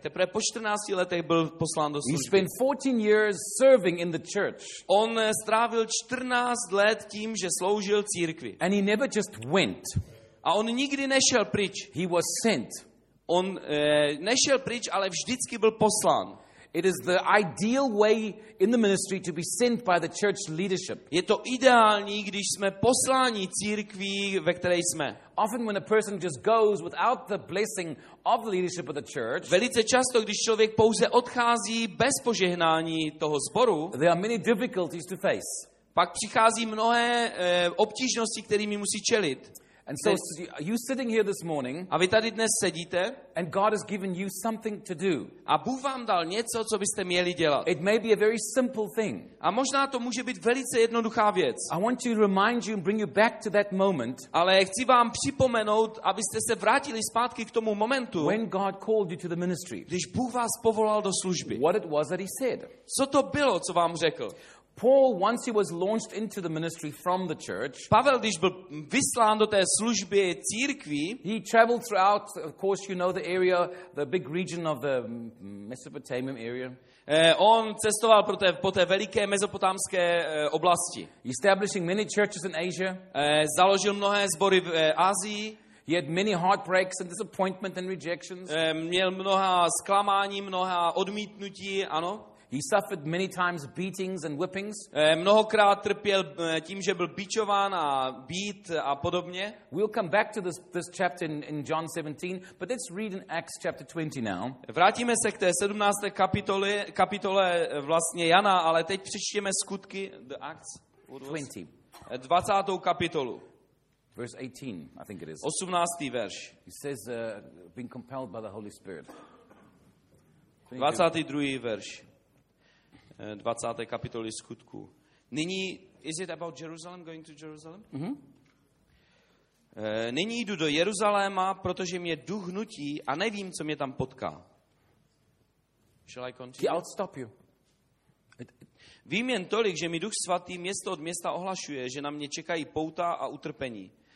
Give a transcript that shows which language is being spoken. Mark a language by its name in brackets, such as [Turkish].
[Czech] Teprve po 14 letech byl poslán do služby. [English] He spent 14 years serving in the church. [Czech] On strávil 14 let tím, že sloužil církvi. [English] And he never just went. [Czech] A on nikdy nešel pryč. [English] He was sent. [Czech] On nešel pryč, ale vždycky byl poslán. [English] It is the ideal way in the ministry to be sent by the church leadership. [Czech] Je to ideální, když jsme posláni církví, ve které jsme. [English] Often when a person just goes without the blessing of the leadership of the church, [Czech] velice často, když člověk pouze odchází bez požehnání toho sboru, [English] there are many difficulties to face. [Czech] Pak přichází mnohé obtížnosti, kterými musí čelit. [English] And so you sitting here this morning, [Czech] a vy tady dnes sedíte, [English] and God has given you something to do. [Czech] A Bůh vám dal něco, co byste měli dělat. [English] It may be a very simple thing. [Czech] A možná to může být velice jednoduchá věc. [English] I want to remind you and bring you back to that moment. [Czech] Ale chci vám připomenout, abyste se vrátili zpátky k tomu momentu. [English] When God called you to the ministry. [Czech] Když Bůh vás povolal do služby. [English] What it was that he said. [Czech] Co to bylo, co vám řekl? [English] Paul, once he was launched into the ministry from the church, [Czech] Pavel, když byl vyslán do té služby církví, [English] he traveled throughout, of course, you know the area, the big region of the Mesopotamian area. [Czech] On cestoval po té veliké mezopotámské oblasti. [English] Establishing many churches in Asia. [Czech] Založil mnohé sbory v Asii. [English] He had many heartbreaks and disappointments and rejections. [Czech] Měl mnoha zklamání, mnoha odmítnutí, ano. [English] He suffered many times beatings and whippings. [Czech] Mnohokrát trpěl tím, že byl bičován a bít a podobně. [English] We'll come back to this chapter in John 17, but let's read in Acts chapter 20 now. [Czech] Vrátíme se k té 17. kapitole vlastně Jana, ale teď přečtěme skutky, [English] the Acts [Czech] 20. 20. kapitolu. [English] Verse 18, I think it is. [Czech] 18. verš. [English] He says, been compelled by the Holy Spirit. [Czech] 22. verš. 20. kapitoly skutku. Nyní, [English] is it about Jerusalem, going to Jerusalem? Mm-hmm. [Czech] Nyní jdu do Jeruzaléma, protože mě duch nutí a nevím, co mě tam potká. [English] Shall I continue? Yeah, I'll stop you. [Czech] Vím jen tolik, že mi duch svatý město od města ohlašuje, že na mě čekají pouta a utrpení.